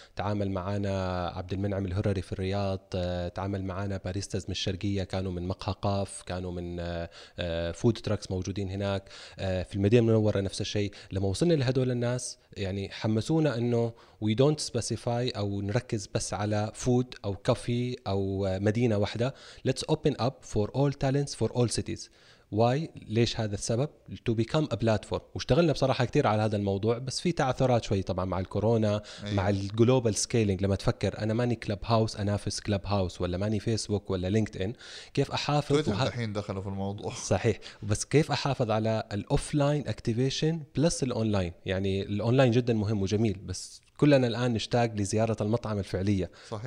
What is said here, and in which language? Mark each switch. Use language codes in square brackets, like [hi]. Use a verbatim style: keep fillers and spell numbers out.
[ar] تعامل معنا عبد المنعم الهرري في الرياض، تعامل معنا باريستاز من الشرقية، كانوا من مقهى قاف، كانوا من فود تراكس موجودين هناك في المدينة المنورة. نفس الشيء لما وصلنا لهدول الناس يعني حمسونا إنه [en] we don't specify [ar] أو نركز بس على food أو coffee أو مدينة واحدة. [en] let's open up for all talents for all cities. why [ar] ليش هذا السبب؟ [en] to become a platform. [ar] واشتغلنا بصراحة كتير على هذا الموضوع، بس في تعثرات شوي طبعا مع الكورونا أيوة. مع الجلوبال سكيلينج. لما تفكر أنا ماني كلب هاوس أنافس كلب هاوس، ولا ماني فيسبوك ولا لينكد إن، كيف أحافظ؟ تويتر وه... الحين دخلوا في الموضوع صحيح. بس كيف أحافظ على الأوفلاين أكتيفيشن بلس الأونلاين؟ يعني الأونلاين جدا مهم وجميل، بس كلنا الآن نشتاق لزيارة المطعم الفعلية صحيح.